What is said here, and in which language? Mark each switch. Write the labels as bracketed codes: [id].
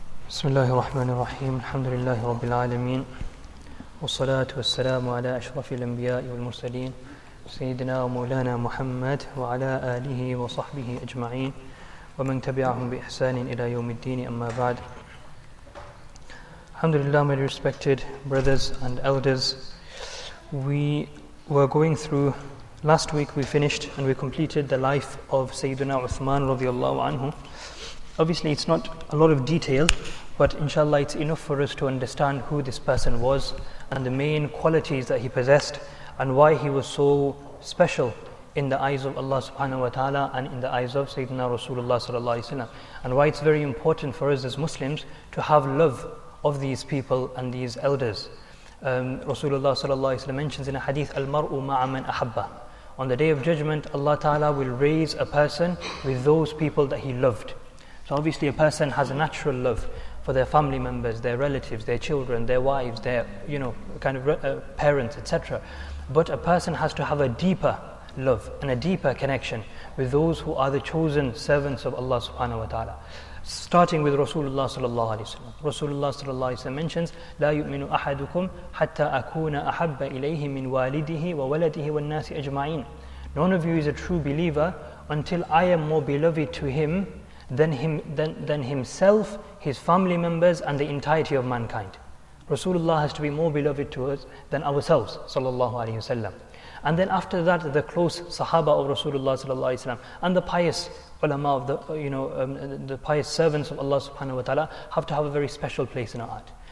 [ar] بسم الله الرحمن الرحيم الحمد لله رب العالمين والصلاة والسلام على أشرف الأنبياء والمرسلين سيدنا ومولانا محمد وعلى آله وصحبه أجمعين ومن تبعهم بإحسان إلى يوم الدين أما بعد. الحمد لله, [en] my respected brothers and elders. We were going through, last week we finished and we completed the life of Sayyidina Uthman رضي الله عنه. Obviously it's not a lot of detail, but inshallah it's enough for us to understand who this person was and the main qualities that he possessed and why he was so special in the eyes of Allah subhanahu wa ta'ala and in the eyes of Sayyidina Rasulullah sallallahu alayhi wa sallam, and why it's very important for us as Muslims to have love of these people and these elders. Rasulullah sallallahu alayhi wa sallam mentions in a hadith, Al-mar'u ma'a man ahabba. On the day of judgment, Allah ta'ala will raise a person with those people that he loved. So obviously a person has a natural love for their family members, their relatives, their children, their wives, their, you know, kind of parents, etc. But a person has to have a deeper love and a deeper connection with those who are the chosen servants of Allah subhanahu wa ta'ala. Starting with Rasulullah sallallahu alayhi wa sallam. Rasulullah sallallahu alayhi wa sallam mentions, [ar] لا يؤمن أحدكم حتى أكون أحب إليه من والده وولده والناس أجمعين. [en] None of you is a true believer until I am more beloved to him than himself, his family members, and the entirety of mankind. Rasulullah has to be more beloved to us than ourselves, sallallahu alayhi wa sallam. And then after that, the close sahaba of Rasulullah sallallahu alayhi wa sallam, and the pious ulama of the, you know, the pious servants of Allah subhanahu wa ta'ala, have to have a very special place in our heart.